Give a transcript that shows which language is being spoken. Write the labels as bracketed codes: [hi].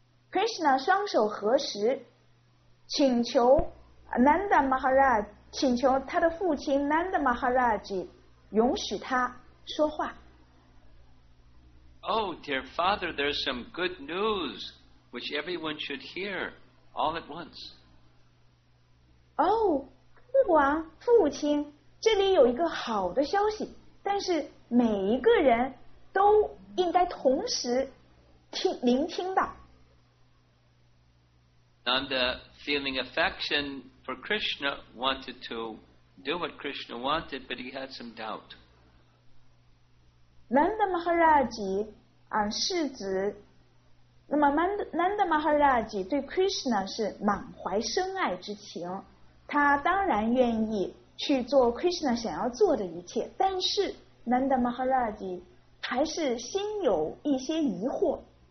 [zh] Krishna 双手合十，请求 Nanda Maharaj， 请求他的父亲 Nanda Maharaj 允许他说话。 [en] Oh, dear father, there's some good news which everyone should hear all at once. Oh. [zh] 父王父亲这里有一个好的消息但是每一个人都应该同时听聆听到 [en] Nanda feeling affection for Krishna wanted to do what Krishna wanted but he had some doubt [zh] Nanda Maharaj 是指那么 Nanda Maharaj 对 Krishna 是满怀深爱之情他当然愿意去做 Krishna 想要做的一切但是 Nanda Maharaj 还是心有一些疑惑